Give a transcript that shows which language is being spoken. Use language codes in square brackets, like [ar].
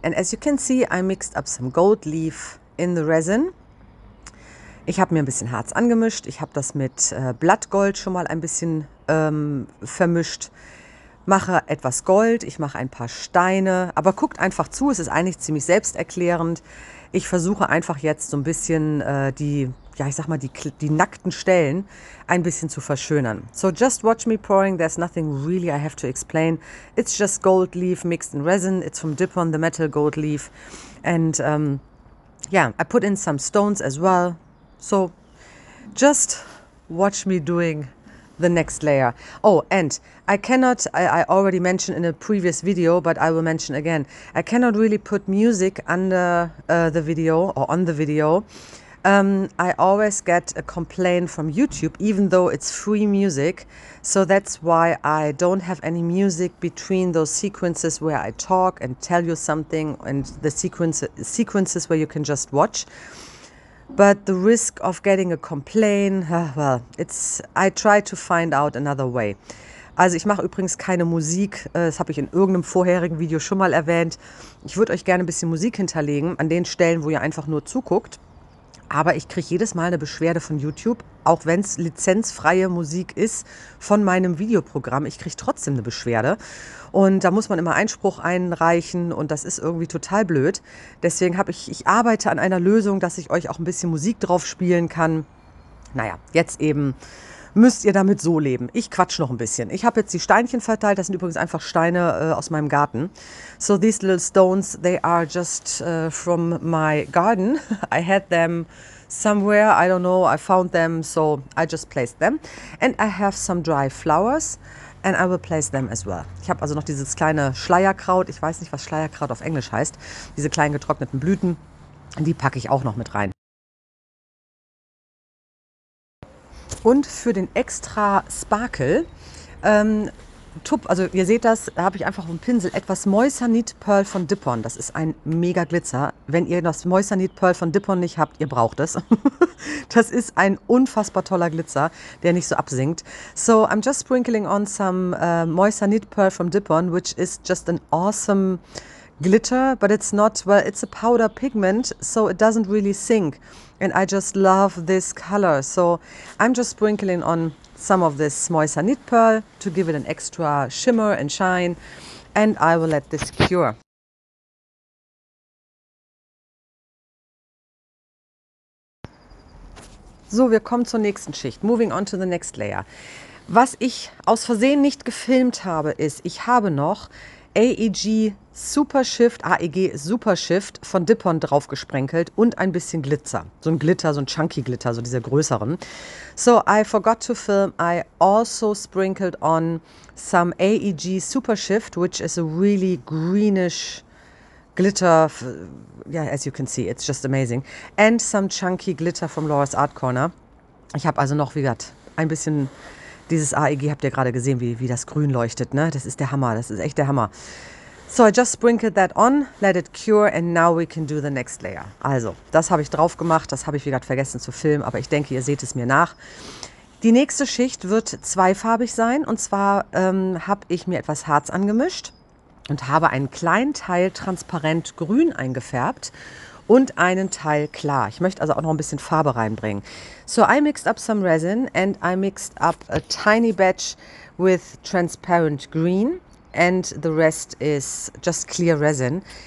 [en] And as you can see, I mixed up some gold leaf in the resin. [de] Ich habe mir ein bisschen Harz angemischt. Ich habe das mit Blattgold schon mal ein bisschen vermischt. Mache etwas Gold, ich mache ein paar Steine. Aber guckt einfach zu, es ist eigentlich ziemlich selbsterklärend. Ich versuche einfach jetzt so ein bisschen die nackten Stellen ein bisschen zu verschönern. [en] So just watch me pouring, there's nothing really I have to explain. It's just gold leaf mixed in resin, it's from Dipon, the metal gold leaf. And I put in some stones as well. So just watch me doing the next layer. Oh, and I already mentioned in a previous video, but I will mention again, I cannot really put music under the video or on the video. I always get a complaint from YouTube, even though it's free music. So that's why I don't have any music between those sequences where I talk and tell you something and the sequences where you can just watch. But the risk of getting a complaint, well, it's, I try to find out another way. [de] Also ich mache übrigens keine Musik, das habe ich in irgendeinem vorherigen Video schon mal erwähnt. Ich würde euch gerne ein bisschen Musik hinterlegen an den Stellen, wo ihr einfach nur zuguckt. Aber ich kriege jedes Mal eine Beschwerde von YouTube, auch wenn es lizenzfreie Musik ist von meinem Videoprogramm. Ich kriege trotzdem eine Beschwerde und da muss man immer Einspruch einreichen und das ist irgendwie total blöd. Deswegen habe ich arbeite an einer Lösung, dass ich euch auch ein bisschen Musik drauf spielen kann. Naja, jetzt eben müsst ihr damit so leben. Ich quatsch noch ein bisschen. Ich habe jetzt die Steinchen verteilt. Das sind übrigens einfach Steine aus meinem Garten. [en] So these little stones, they are just from my garden. I had them somewhere. I don't know. I found them. So I just placed them. And I have some dry flowers. And I will place them as well. [de] Ich habe also noch dieses kleine Schleierkraut. Ich weiß nicht, was Schleierkraut auf Englisch heißt. Diese kleinen getrockneten Blüten. Die packe ich auch noch mit rein. Und für den extra Sparkle, also ihr seht das, da habe ich einfach vom Pinsel etwas Moissanit Pearl von Dipon. Das ist ein mega Glitzer. Wenn ihr das Moissanit Pearl von Dipon nicht habt, ihr braucht es. Das ist ein unfassbar toller Glitzer, der nicht so absinkt. [en] So I'm just sprinkling on some Moissanit Pearl from Dipon, which is just an awesome glitter, but it's not, well, it's a powder pigment, so it doesn't really sink. And I just love this color. So I'm just sprinkling on some of this Moissanit Pearl to give it an extra shimmer and shine. And I will let this cure. [de] So, wir kommen zur nächsten Schicht. [en] Moving on to the next layer. [de] Was ich aus Versehen nicht gefilmt habe, ist, ich habe noch AEG Super Shift, AEG Super Shift von Dippon drauf gesprenkelt und ein bisschen Glitzer. So ein Glitter, so ein Chunky Glitter, so diese größeren. [en] So, I forgot to film. I also sprinkled on some AEG Super Shift, which is a really greenish Glitter. Yeah, as you can see, it's just amazing. And some Chunky Glitter from Laura's Art Corner. [de] Ich habe also noch, wie gesagt, ein bisschen. Dieses AEG habt ihr gerade gesehen, wie das grün leuchtet, ne? Das ist der Hammer, das ist echt der Hammer. [en] So, I just sprinkled that on, let it cure and now we can do the next layer. [de] Also, das habe ich drauf gemacht, das habe ich wie gerade vergessen zu filmen, aber ich denke, ihr seht es mir nach. Die nächste Schicht wird zweifarbig sein und zwar habe ich mir etwas Harz angemischt und habe einen kleinen Teil transparent grün eingefärbt und einen Teil klar. Ich möchte also auch noch ein bisschen Farbe reinbringen. [en] So, I mixed up some resin and I mixed up a tiny batch with transparent green and the rest is just clear resin.